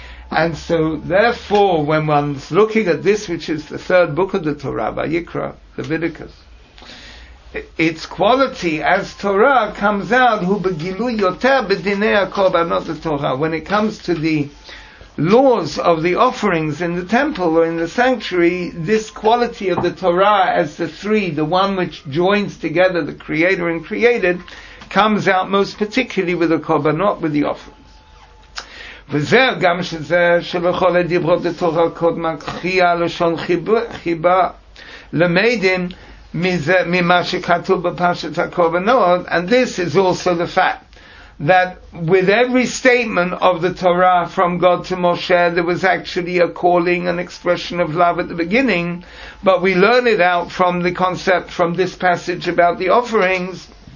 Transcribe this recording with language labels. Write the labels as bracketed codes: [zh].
[en] And so therefore, when one's looking at this, which is the third book of the Torah, Vayikra, Leviticus, its quality as Torah comes out, [he] hu begilu yoter bedinei korbanot haTorah, [en] when it comes to the laws of the offerings in the temple or in the sanctuary, this quality of the Torah as the three, the one which joins together the creator and created, comes out most particularly with the korbanot, with the offerings. [he] וזה גם שזה שלכל הדיברות לתורה קודם קריאה לשון חיבה למדים ממה שכתוב בפרשת הקורבנות. [en] And this is also the fact that with every statement of the Torah from God to Moshe, there was actually a calling, an expression of love at the beginning, but we learn it out from the concept from this passage about the offerings.